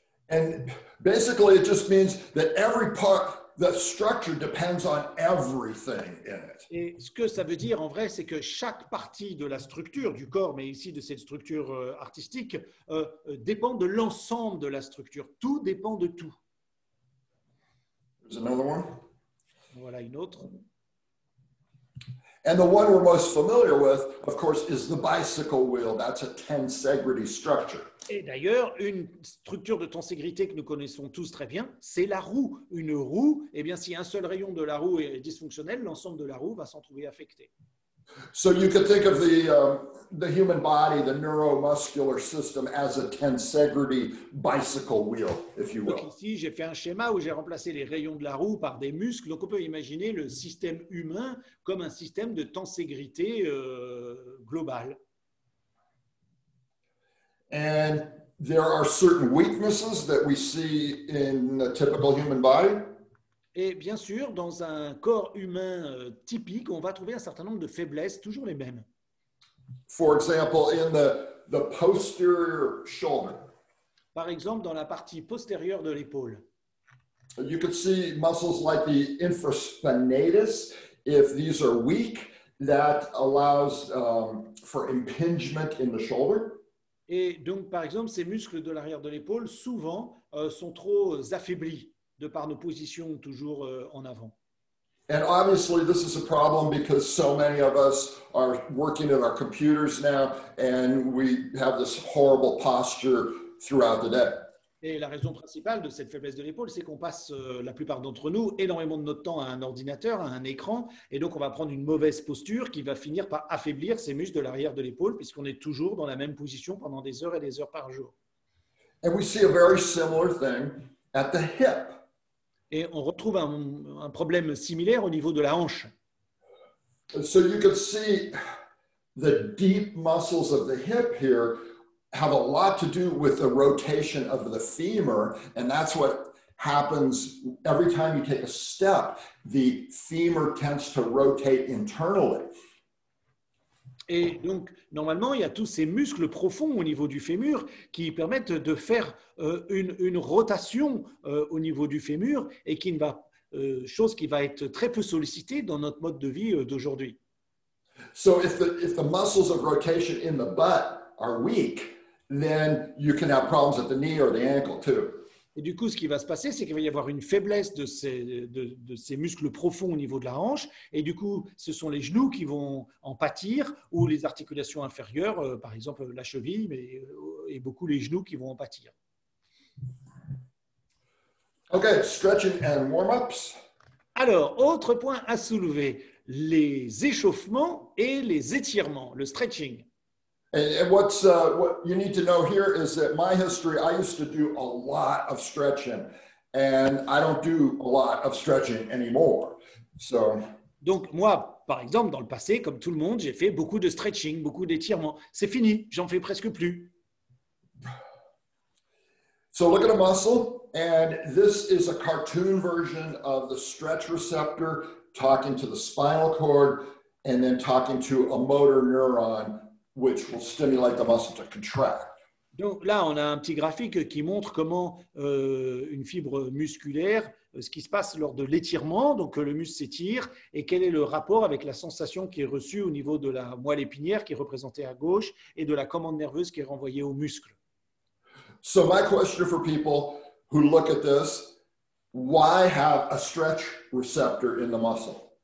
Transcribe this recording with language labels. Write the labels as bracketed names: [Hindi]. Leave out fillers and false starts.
[English] And basically, it just means that every part, the structure depends on everything in it. [French] Et ce que ça veut dire, en vrai, c'est que chaque partie de la structure du corps, mais ici de cette structure artistique, dépend de l'ensemble de la structure. Tout dépend de tout. [English] There's another one. [French] Voilà une autre. [English] And the one we're most familiar with, of course, is the bicycle wheel. That's a tensegrity structure. [French] Et d'ailleurs, une structure de tenségrité que nous connaissons tous très bien, c'est la roue. Une roue, eh bien, si un seul rayon de la roue est dysfonctionnel, l'ensemble de la roue va s'en trouver affecté. [English] So you could think of the human body, the neuromuscular system, as a tensegrity bicycle wheel, if you will. [French] Donc ici, j'ai fait un schéma où j'ai remplacé les rayons de la roue par des muscles. Donc on peut imaginer le système humain comme un système de tensegrité globale. [English] And there are certain weaknesses that we see in a typical human body. [French] Et bien sûr, dans un corps humain typique, on va trouver un certain nombre de faiblesses, toujours les mêmes. [English] For example, in the posterior shoulder. [French] Par exemple, dans la partie postérieure de l'épaule. [English] You could see muscles like the infraspinatus. If these are weak, that allows for impingement in the shoulder. [French] Et donc, par exemple, ces muscles de l'arrière de l'épaule, souvent, sont trop affaiblis de par nos positions toujours en avant. [English] And obviously, this is a problem because so many of us are working at our computers now and we have this horrible posture throughout the day. [French] Et la raison principale de cette faiblesse de l'épaule, c'est qu'on passe, la plupart d'entre nous, énormément de notre temps à un ordinateur, à un écran, et donc on va prendre une mauvaise posture qui va finir par affaiblir ces muscles de l'arrière de l'épaule, puisqu'on est toujours dans la même position pendant des heures et des heures par jour. [English] And we see a very similar thing at the hip. [French] Et on retrouve un problème similaire au niveau de la hanche. [English] So you can see the deep muscles of the hip here have a lot to do with the rotation of the femur, and that's what happens every time you take a step, the femur tends to rotate internally. [French] Et donc, normalement, il y a tous ces muscles profonds au niveau du fémur qui permettent de faire une rotation au niveau du fémur et qui va, chose qui va être très peu sollicitée dans notre mode de vie d'aujourd'hui. [English] So if the muscles of rotation in the butt are weak, then you can have problems at the knee or the ankle too. [French] Et du coup, ce qui va se passer, c'est qu'il va y avoir une faiblesse de ces muscles profonds au niveau de la hanche. Et du coup, ce sont les genoux qui vont en pâtir ou les articulations inférieures, par exemple la cheville, mais, et beaucoup les genoux qui vont en pâtir. [English] Okay, stretching and warm-ups. [French] Alors, autre point à soulever, les échauffements et les étirements, le stretching. [English] And what you need to know here is that my history, I used to do a lot of stretching and I don't do a lot of stretching anymore. So. [French] Donc moi, par exemple, dans le passé, comme tout le monde, j'ai fait beaucoup de stretching, beaucoup d'étirements. C'est fini, j'en fais presque plus. [English] So look at a muscle, and this is a cartoon version of the stretch receptor talking to the spinal cord and then talking to a motor neuron which will stimulate the muscle to contract. [French] Donc là, on a un petit graphique qui montre comment une fibre musculaire, ce qui se passe lors de l'étirement, donc le muscle s'étire, et quel est le rapport avec la sensation qui est reçue au niveau de la moelle épinière qui est représentée à gauche et de la commande nerveuse qui est renvoyée au muscle. [English] So my question for people who look at this, why have a stretch receptor in the muscle?